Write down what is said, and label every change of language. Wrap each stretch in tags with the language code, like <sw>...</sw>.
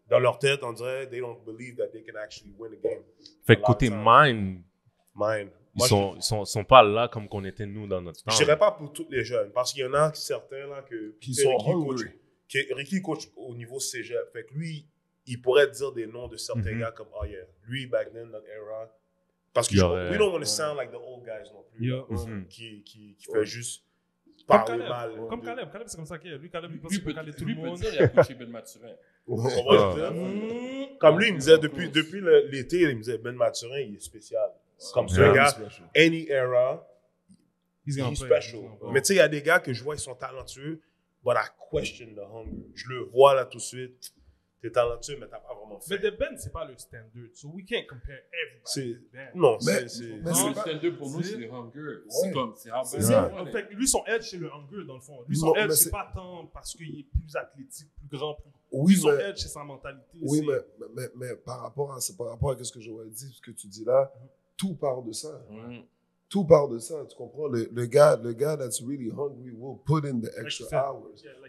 <fr>Dans leur tête, on dirait,</fr> <en>they don't believe that they can actually win a game.</en> <fr>Fait que côté mind, ils sont pas là comme qu'on était nous dans notre temps. Je dirais pas pour tous les jeunes, parce qu'il y en a certains là que qui sont Ricky coach au niveau cégep. Fait que lui, il pourrait dire des noms de certains mm-hmm. gars comme,</fr> <en>oh yeah,</en> <fr>lui,</fr> <en>back then, that era.</en> <fr>Parce que</fr> <en>we don't want to sound like the old guys,</en> <fr>non plus. Qui fait juste parler comme mal. Comme Caleb, de... Caleb, c'est comme ça qu'il est. Lui, Caleb, il pense qu'il peut caler tout le monde. Lui peut dire, il a coaché Ben Mathurin. Comme lui, il me disait, depuis l'été, il me disait, Ben Mathurin, il est spécial. Comme ce gars,</fr> <en>any era, he's special.</en> <fr>Mais tu sais, il y a des gars que je vois, ils sont talentueux,</fr> <en>but I question the hunger.</en> <fr>Je le vois là tout de suite. T'es talentueux, mais t'as pas vraiment fait. Mais The Ben, c'est pas le standard.</fr> <en>So we can't compare everybody.</en> <fr>C'est... Ben. Non, c'est le standard pour nous, c'est le hunger. Ouais. C'est comme, c'est</fr> <en>hard.</en> <fr>En fait, lui, son edge, c'est le hunger, dans le fond. Lui, son edge, c'est pas tant parce qu'il est plus athlétique, plus grand. Oui, lui, son edge, c'est sa mentalité. Oui, mais par rapport à, c'est par rapport à ce que j'aurais dit, ce que tu dis là, tout part de ça. Tout part de ça, tu comprends? Le gars</fr> <en>that's really hungry will put in the extra hours.</en>